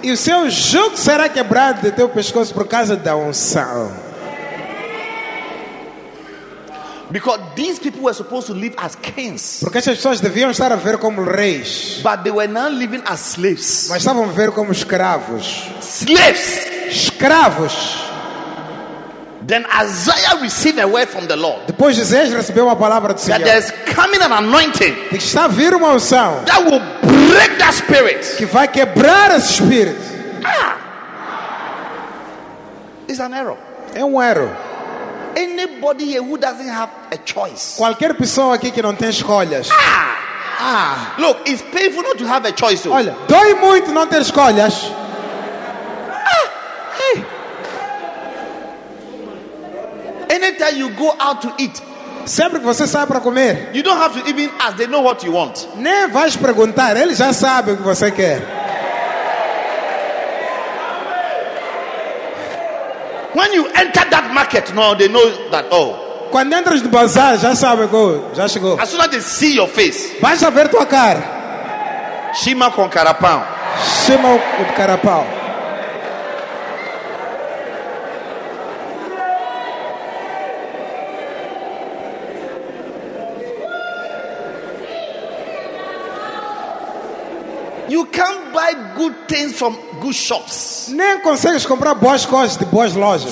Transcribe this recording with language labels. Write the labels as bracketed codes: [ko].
[pt] E o seu jugo será quebrado do teu pescoço por causa da unção. [en] Because these people were supposed to live as kings. [pt] Porque essas pessoas deviam estar a viver como reis. [en] But they were now living as slaves. [pt] Mas estavam a viver como escravos. [en] Slaves. [pt] Escravos. [en] Then Isaiah received a word from the Lord. [pt] Depois Isaías recebeu uma palavra do Senhor. [en] That there's coming an anointing. [pt] De que está a vir uma unção. [en] That will break that spirit. [pt] Que vai quebrar esse espírito. Ah. [en] It's an error. [pt] É erro. [en] Anybody here who doesn't have a choice. [pt] Qualquer pessoa aqui que não tem escolhas. Ah. Ah. [en] Look, it's painful not to have a choice. Though. [pt] Olha, dói muito não ter escolhas. Hey. [en] Anytime you go out to eat, [pt] sempre que você sai para comer, [en] you don't have to even ask, they know what you want. [pt] Nem vais perguntar, eles já sabem o que você quer. [en] When you enter that market, no, they know that, oh. [pt] Quando entras no bazar, já sabe, já chegou. [en] As soon as they see your face, [pt] basta ver tua cara. Shima com carapau. Shima com carapau. [en] You can't buy good things from good shops. [pt] Nem consegues comprar boas coisas de boas lojas.